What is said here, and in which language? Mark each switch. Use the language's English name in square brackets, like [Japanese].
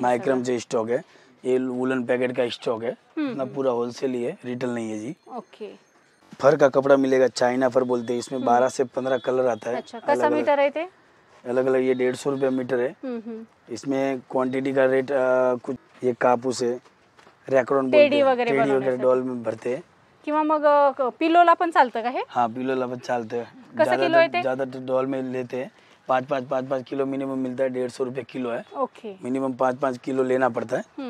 [Hindi] माइक्रम जो स्टॉक है, ये वुलन पैकेट का स्टॉक है ना, पूरा होलसेल ही है, रिटेल नहीं है जी. ओके. फर का कपड़ा मिलेगा, चाइना फर बोलते हैं. इसमें 12 से 15 कलर आता है. अच्छा, कैसा मीटर है थे? अलग अलग, ये 150 रुपया मीटर है. इसमें क्वांटिटी का रेट कुछ, ये कापूस है, रैक्रोन बोलते हैं, टेडी वगैरह डॉल में भरते हैं. [Marathi] किंवा मग पिलोला पण चालतं का हे? हाँ पिलोला पण चालतं. कसं किलो आहे ते? [Hindi] ज्यादा डॉल में लेते हैं, 5-5 किलो मिनिमम मिलता है, 150 रुपये किलो है. ओके. मिनिमम 5-5 किलो लेना पड़ता है.